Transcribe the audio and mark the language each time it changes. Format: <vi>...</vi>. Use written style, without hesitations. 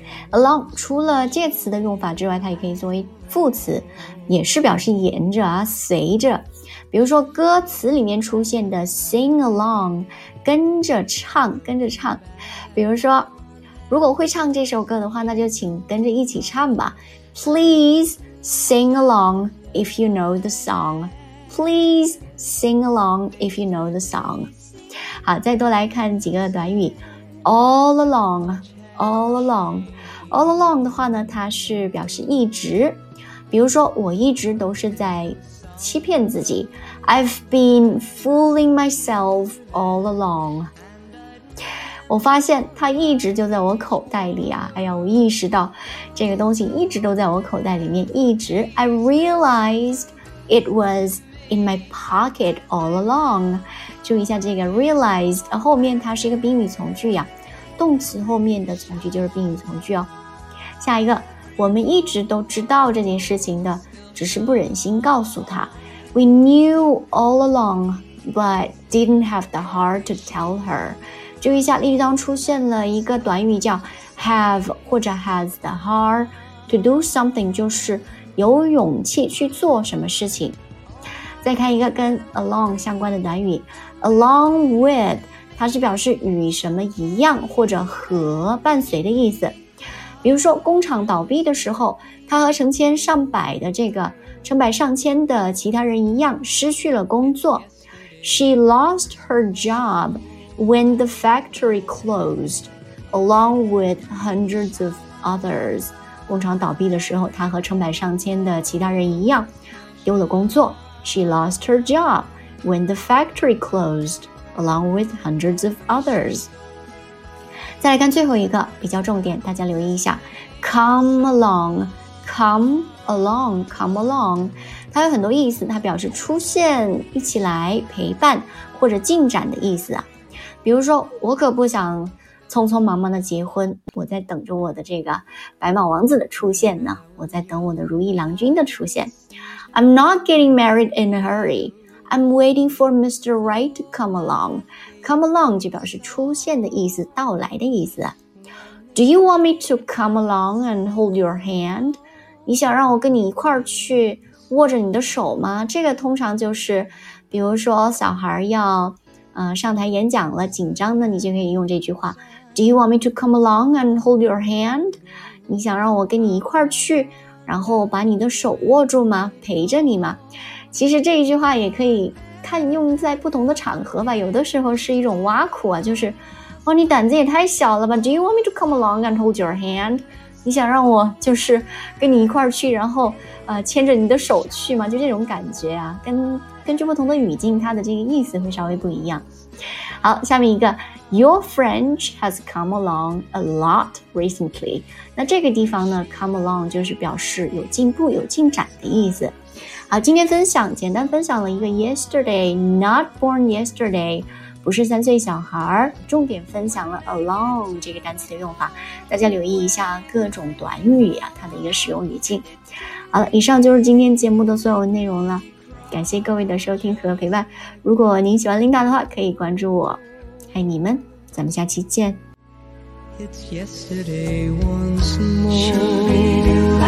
<zh>along 除了介词的用法之外，它也可以作为副词，也是表示沿着啊，随着。比如说歌词里面出现的 sing along， 跟着唱，跟着唱。比如说如果会唱这首歌的话，那就请跟着一起唱吧。</zh> <en>Please sing along if you know the song， Please sing along if you know the song。</en> <zh>好，再多来看几个短语。</zh> <en>All along, all along, all along</en> <zh>的话呢，它是表示一直。比如说，我一直都是在欺骗自己。</zh> <en>I've been fooling myself all along。</en> <zh>我发现它一直就在我口袋里啊！哎呀，我意识到这个东西一直都在我口袋里面，一直。</zh> <en>I realized it was in my pocket all along。</en> <zh>注意一下这个 realized， 后面它是一个宾语从句呀，动词后面的从句就是宾语从句哦。下一个，我们一直都知道这件事情的，只是不忍心告诉他。</zh> <en>We knew all along, but didn't have the heart to tell her。</en> <zh>注意一下，例句当中出现了一个短语叫 have 或者</zh> <en>has the heart to do something，</en> <zh>就是有勇气去做什么事情。再看一个跟 along 相关的短语， along with， 它是表示与什么一样或者和伴随的意思。比如说工厂倒闭的时候，它和成千上百的这个成百上千的其他人一样失去了工作。</zh> <en>She lost her job when the factory closed along with hundreds of others。</en> <zh>工厂倒闭的时候，它和成百上千的其他人一样丢了工作。</zh> <en>She lost her job when the factory closed along with hundreds of others。</en> <zh>再来看最后一个比较重点，大家留意一下 come along， come along， come along， 它有很多意思，它表示出现，一起来，陪伴或者进展的意思啊。比如说我可不想匆匆忙忙的结婚，我在等着我的这个白马王子的出现呢，我在等我的如意郎君的出现。</zh> <en>I'm not getting married in a hurry. I'm waiting for Mr. Right to come along.</en> <zh>Come along 就表示出现的意思，到来的意思。</zh> <en>Do you want me to come along and hold your hand?</en> <zh>你想让我跟你一块儿去握着你的手吗？这个通常就是，比如说小孩要上台演讲了，紧张的，你就可以用这句话。</zh> <en>Do you want me to come along and hold your hand?</en> <zh>你想让我跟你一块儿去然后把你的手握住吗？陪着你吗？其实这一句话也可以看用在不同的场合吧，有的时候是一种挖苦啊，就是哦，你胆子也太小了吧。</zh> <en>Do you want me to come along and hold your hand?</en> <zh>你想让我就是跟你一块儿去然后牵着你的手去吗？就这种感觉啊，根据不同的语境它的这个意思会稍微不一样。好，下面一个</zh> <en>Your French has come along a lot recently。</en> <zh>那这个地方呢， come along 就是表示有进步有进展的意思。好，今天分享简单分享了一个 yesterday，</zh> <en>not born yesterday，</en> <zh>不是三岁小孩，重点分享了 along 这个单词的用法，大家留意一下各种短语啊，它的一个使用语境。好了，以上就是今天节目的所有内容了，感谢各位的收听和陪伴。如果您喜欢 Linda 的话，可以关注我。爱你们，咱们下期见。</zh> <en>It's yesterday once more.</en>